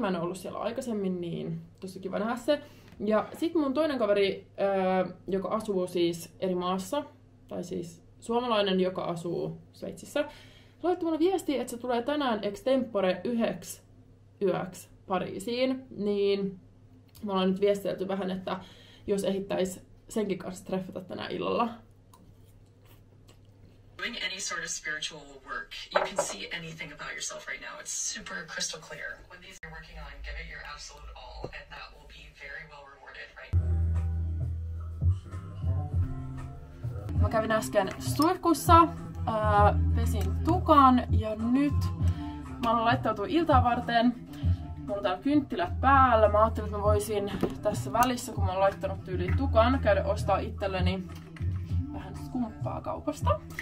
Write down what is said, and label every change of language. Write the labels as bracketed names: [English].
[Finnish] Mä en ollut siellä aikaisemmin, niin tosi kiva nähdä se. Ja sit mun toinen kaveri, joka asuu siis eri maassa, tai siis suomalainen, joka asuu Sveitsissä, laitti mulle viesti, että se tulee tänään extempore 9 yöksi Pariisiin. Niin me ollaan nyt viestitelty vähän, että jos ehittäis senkin kanssa treffata tänä illalla. [English] Doing any sort of spiritual work, you can see anything about yourself right now. It's super crystal clear. When these are working on, give it your absolute all, and that will be very well rewarded, right? [Finnish] Mä kävin äsken suihkussa, pesin tukan, ja nyt mä oon laittautunut iltaa varten. Mulla on täällä kynttilät päällä. Mä ajattelin, että mä voisin tässä välissä, kun mä oon laittanut tyyliin tukan, käydä ostaa itselleni vähän skumppaa kaupasta.